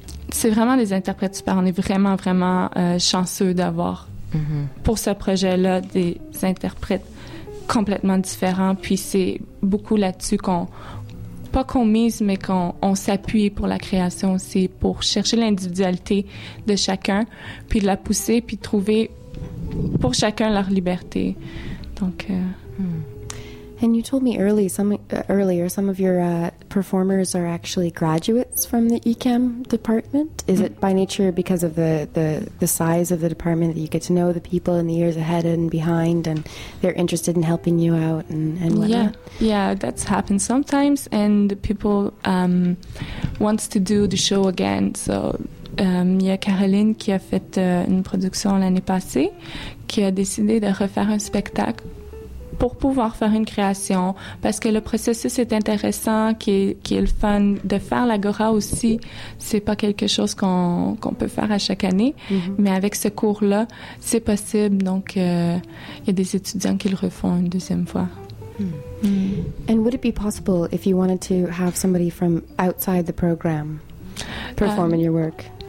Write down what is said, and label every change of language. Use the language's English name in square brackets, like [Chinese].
[French] c'est vraiment des interprètes super. On est vraiment, vraiment chanceux d'avoir, pour ce projet-là, des interprètes complètement différents. Puis c'est beaucoup là-dessus qu'on... pas qu'on mise, mais qu'on s'appuie pour la création aussi, pour chercher l'individualité de chacun, puis de la pousser, puis de trouver pour chacun leur liberté. Donc... [English] And you told me earlier some of your performers are actually graduates from the ECAM department. Is it by nature because of the size of the department that you get to know the people in the years ahead and behind, and they're interested in helping you out and whatnot? Yeah, that's happened sometimes, and the people wants to do the show again. [French] So il y a Caroline qui a fait une production l'année passée, qui a décidé de refaire un spectacle pour pouvoir faire une création, parce que le processus est intéressant, qui est le fun de faire l'agora aussi. C'est pas quelque chose qu'on peut faire à chaque année, mais avec ce cours-là, c'est possible. Donc, il y a des étudiants qui le refont une deuxième fois. [English] And would it be possible if you wanted to have somebody from outside the program perform in your work?